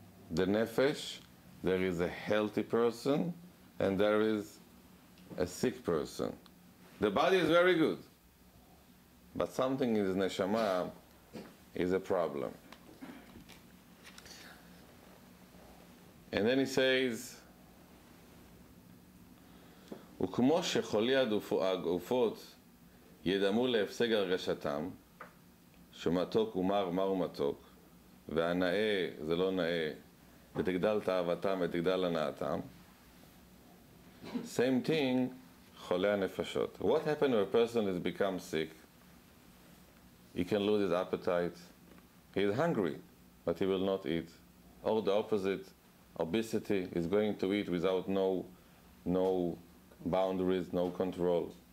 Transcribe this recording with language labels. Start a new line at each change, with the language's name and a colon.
English: The nefesh, there is a healthy person and there is a sick person. The body is very good, but something in the neshama is a problem. And then he says,
Hebrew: וכמו שחולי הגופות ידמו להפסק הרגשתם, שמתוק ומר מר ומתוק, והנאה זה לא נאה, ותגדל תאוותם ותגדל הנאתם.
English: Same thing,
Hebrew: חולי הנפשות.
English: What happens when a person has become sick? He can lose his appetite. He is hungry, but he will not eat. Or the opposite. Obesity is going to eat without no boundaries, no control.